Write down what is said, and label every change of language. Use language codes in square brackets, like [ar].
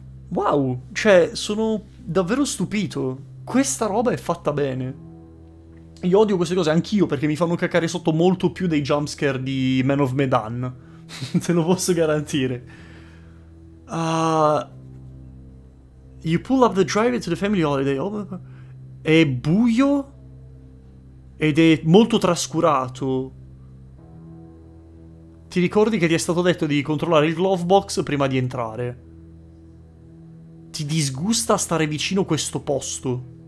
[it] Wow! Cioè, sono davvero stupito. Questa roba è fatta bene. Io odio queste cose anch'io perché mi fanno cacare sotto molto più dei jumpscare di Man of Medan. Te lo posso garantire. [en] You pull up the driveway to the family holiday. [it] Oh, è buio ed è molto trascurato. Ti ricordi che ti è stato detto di controllare il glove box prima di entrare? Ti disgusta stare vicino a questo posto?